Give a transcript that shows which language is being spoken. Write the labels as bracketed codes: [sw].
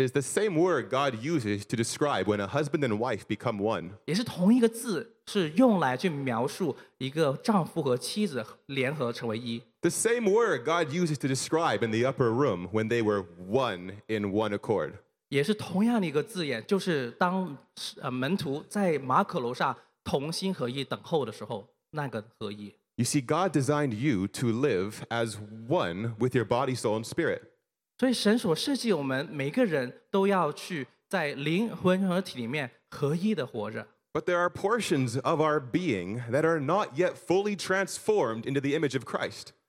[en] is the same word God uses to describe when a husband and wife become one. [zh] 也是同一个字。是用来去描述一个丈夫和妻子联合成为一。The same word God uses to describe in the upper room when they were one in one accord. 也是同样的一个字眼，就是当门徒在马可楼上同心合意等候的时候，那个合一。You [en] see, God designed you to live as one with your body, soul, and spirit. [zh] 所以神所设计我们每个人都要去在灵魂和体里面合一的活着。 [en] But there are portions of our being that are not yet fully transformed into the image of Christ.